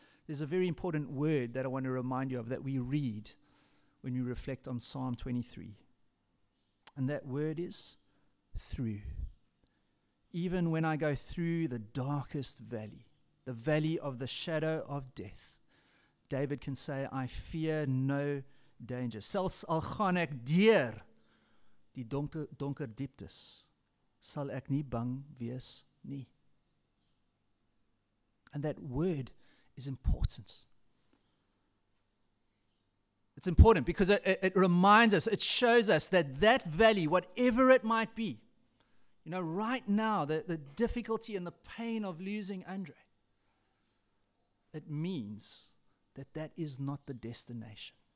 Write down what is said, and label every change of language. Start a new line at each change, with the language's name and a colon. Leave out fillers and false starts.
English: There's a very important word that I want to remind you of that we read when we reflect on Psalm 23. And that word is through. Even when I go through the darkest valley, the valley of the shadow of death, David can say, I fear no danger.
Afrikaans: Selfs al gaan ek deur die donker dieptes, sal ek nie bang wees nie.
English: And that word is important. It's important because it reminds us, it shows us that that valley, whatever it might be, you know, right now, the difficulty and the pain of losing Andre, it means that that is not the destination.